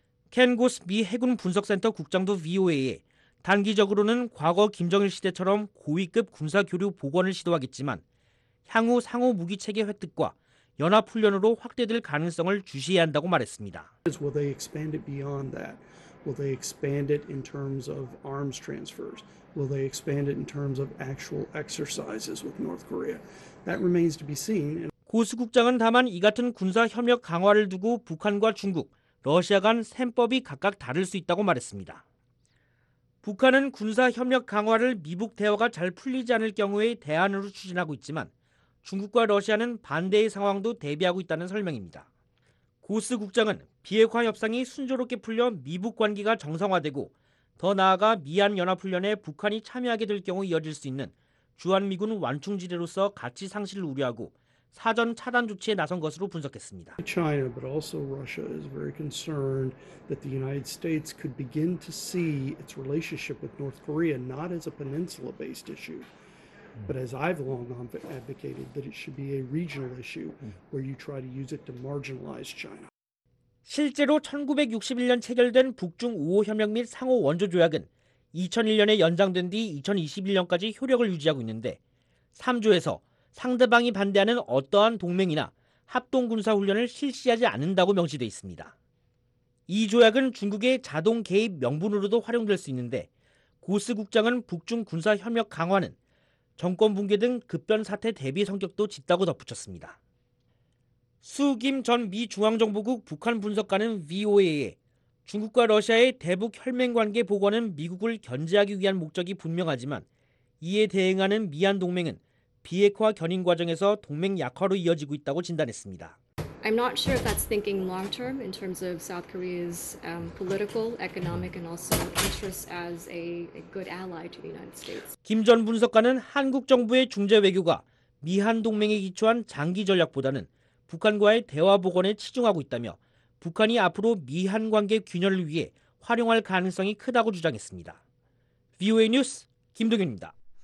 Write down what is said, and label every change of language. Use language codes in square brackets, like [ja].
[ko] 켄 고스 미 해군 분석센터 국장도 VOA에 단기적으로는 과거 김정일 시대처럼 고위급 군사 교류 복원을 시도하겠지만 향후 상호 무기 체계 획득과 연합 훈련으로 확대될 가능성을 주시해야 한다고 말했습니다. [en] Will they expand it beyond that? Will they expand it in terms of arms transfers? Will they expand it in terms of actual exercises with North Korea? That remains to be seen. [ko] 고스 국장은 다만 이 같은 군사협력 강화를 두고 북한과 중국, 러시아 간 셈법이 각각 다를 수 있다고 말했습니다. 북한은 군사협력 강화를 미북 대화가 잘 풀리지 않을 경우에 대안으로 추진하고 있지만 중국과 러시아는 반대의 상황도 대비하고 있다는 설명입니다. 고스 국장은 비핵화 협상이 순조롭게 풀려 미북 관계가 정상화되고 더 나아가 미한연합훈련에 북한이 참여하게 될 경우 이어질 수 있는 주한미군 완충지대로서 가치 상실을 우려하고 사전 차단 조치에 나선 것으로 분석했습니다. [en] China, but also Russia is very concerned that the United States could begin to see its relationship with North Korea not as a peninsula-based issue, but as I've long advocated that it should be a regional issue where you try to use it to marginalize China. [ko] 실제로 1961년 체결된 북중 5호 협력 및 상호 원조 조약은 2001년에 연장된 뒤 2021년까지 효력을 유지하고 있는데 3조에서 상대방이 반대하는 어떠한 동맹이나 합동군사훈련을 실시하지 않는다고 명시돼 있습니다. 이 조약은 중국의 자동 개입 명분으로도 활용될 수 있는데 고스 국장은 북중 군사협력 강화는 정권 붕괴 등 급변 사태 대비 성격도 짙다고 덧붙였습니다. 수 김 전 미 중앙정보국 북한 분석가는 VOA에 중국과 러시아의 대북 혈맹관계 복원은 미국을 견제하기 위한 목적이 분명하지만 이에 대응하는 미한 동맹은 비핵화 견인 과정에서 동맹 약화로 이어지고 있다고 진단했습니다. [en] I'm not sure if that's thinking long term in terms of South Korea's political, economic and also interests as a good ally to the United States. [ko] 김 전 분석가는 한국 정부의 중재 외교가 미한 동맹에 기초한 장기 전략보다는 북한과의 대화 복원에 치중하고 있다며 북한이 앞으로 미한 관계 균열을 위해 활용할 가능성이 크다고 주장했습니다. VOA 뉴스 김동현입니다.